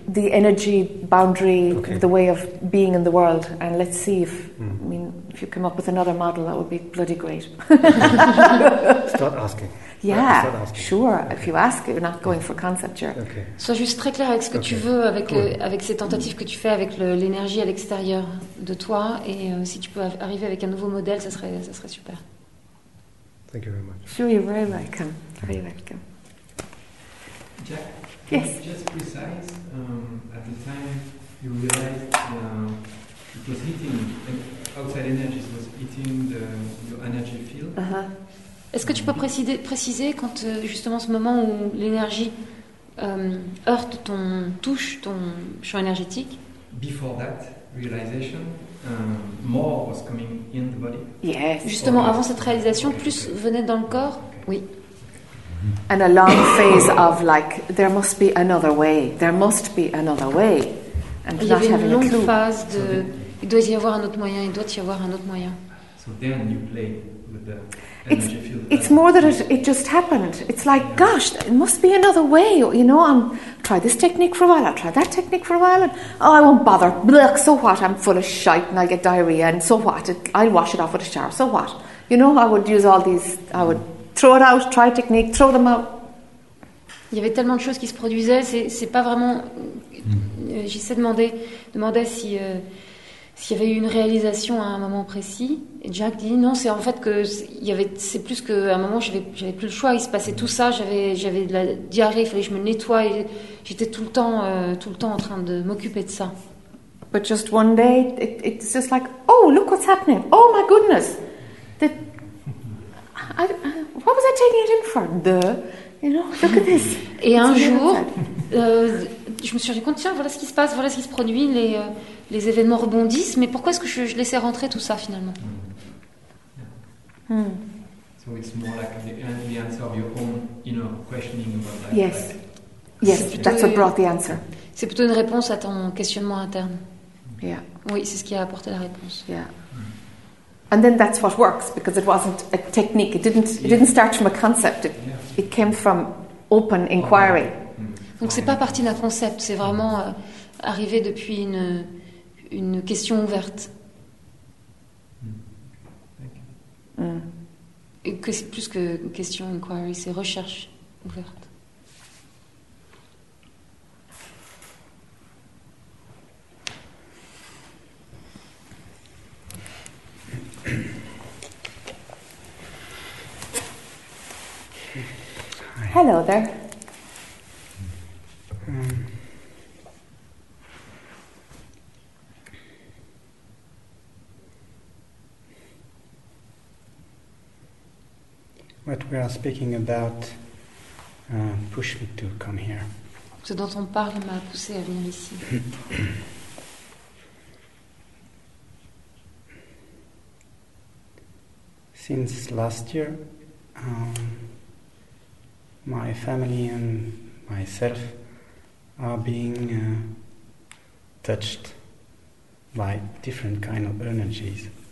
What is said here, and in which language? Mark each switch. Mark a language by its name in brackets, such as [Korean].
[English] The energy boundary, the way of being in the world, and let's see if if you come up with another model, that would be bloody great. Start asking. Yeah, start asking. Sure. Okay. If you ask, you're not going for concept. Sure. Okay. [French] Sois juste très clair avec ce que tu veux, avec ces tentatives que tu fais, avec l'énergie à l'extérieur de toi, et si tu peux arriver avec un nouveau modèle, ça serait super. [English] Thank you very much. Sure, you're very welcome. Very welcome. Jack? Yes? Can you just precise, at the time you realized it was hitting, outside energy was hitting your energy field? Uh-huh. [French] Est-ce que tu peux préciser quand justement ce moment où l'énergie heurte ton touche ton champ énergétique? [English] Before that realization, more was coming in the body. Yes. [French] Justement, or avant cette réalisation, plus venait dans le corps. Okay. Oui. Mm-hmm. [English] And a long phase of like there must be another way. There must be another way. And [French] il y avait une longue phase de il doit y avoir un autre moyen. Il doit y avoir un autre moyen. [English] So then you play with the. It's more that it just happened. It's like, gosh, it must be another way. You know, I'll try this technique for a while, I'll try that technique for a while, and oh, I won't bother. Blech, so what? I'm full of shite and I'll get diarrhea, and so what? I'll wash it off with a shower, so what? You know, I would use all these, I would throw it out, try a technique, throw them out. [French] Il y avait tellement de choses qui se produisaient, c'est pas vraiment. J'essaie demandais si. S'il y avait eu une réalisation à un moment précis, et Jack dit non, c'est en fait que c'est plus qu'à un moment, j'avais plus le choix, il se passait tout ça, j'avais de la diarrhée, il fallait que je me nettoie, et j'étais tout le temps en train de m'occuper de ça. [English] But just one day, it's just like, oh, look what's happening, oh my goodness, what was I taking it in for, you know, look at this. [French] Et un jour, je me suis rendu compte, tiens, voilà ce qui se passe, voilà ce qui se produit, les événements rebondissent, mais pourquoi est-ce que je laissais rentrer tout ça finalement? [English] So it's more like the answer of your own, you know, questioning about that. Yes, yes, that's what brought the answer. [French] C'est plutôt une réponse à ton questionnement interne. [English] Yeah. [French] Oui, c'est ce qui a apporté la réponse. [English] Yeah. And then that's what works because it wasn't a technique. It didn't start from a concept. It came from open inquiry. [French] Donc c'est pas parti d'un concept. C'est vraiment arrivé depuis une question ouverte. Et que c'est plus que question inquiry, c'est recherche ouverte. [English] Hello there. What we are speaking about pushed me to come here. [French] Ce dont on parle m'a poussé à venir ici. [English] Since last year, my family and myself are being touched by different kind of energies.